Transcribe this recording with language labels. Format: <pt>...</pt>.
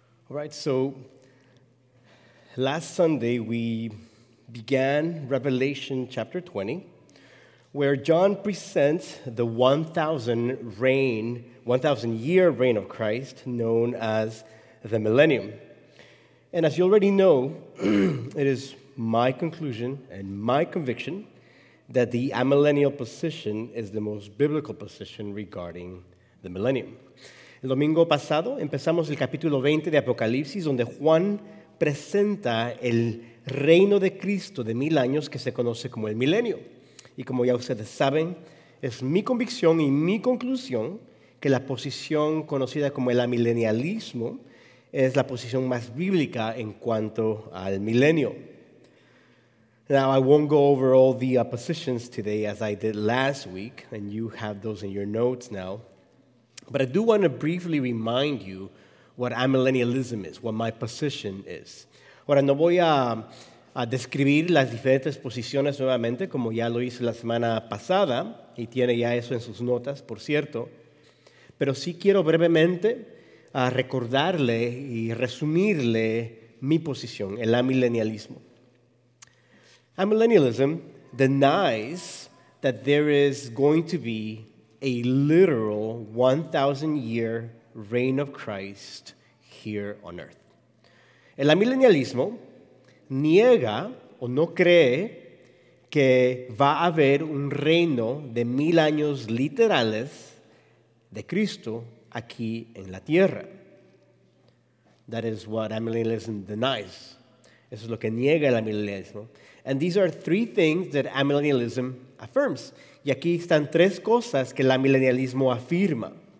<en>All right, so last Sunday we began Revelation chapter 20, where John presents the 1,000-year reign of Christ, known as the millennium. And as you already know, it is my conclusion and my conviction that the amillennial position is the most biblical position regarding the millennium.</en> <es>El domingo pasado empezamos el capítulo 20 de Apocalipsis, donde Juan presenta el reino de Cristo de 1,000 años que se conoce como el milenio. Y como ya ustedes saben, es mi convicción y mi conclusión que la posición conocida como el amilenialismo es la posición más bíblica en cuanto al milenio.</es> <en>Now, I won't go over all the positions today as I did last week, and you have those in your notes now. But I do want to briefly remind you what amillennialism is, what my position is.</en> <es>Ahora, no voy a describir las diferentes posiciones nuevamente, como ya lo hice la semana pasada, y tiene ya eso en sus notas, por cierto. Pero sí quiero brevemente recordarle y resumirle mi posición, el amillennialismo.</es> <en>Amillennialism denies that there is going to be a literal 1,000-year reign of Christ here on earth.</en> <es>El amilenialismo niega o no cree que va a haber un reino de 1,000 años literales de Cristo aquí en la tierra.</es> <en>That is what amillennialism denies.</en> <es>Eso es lo que niega el amilenialismo.</es> <en>And these are three things that amillennialism affirms.</en> <es>Y aquí están tres cosas que el amilenialismo afirma.</es>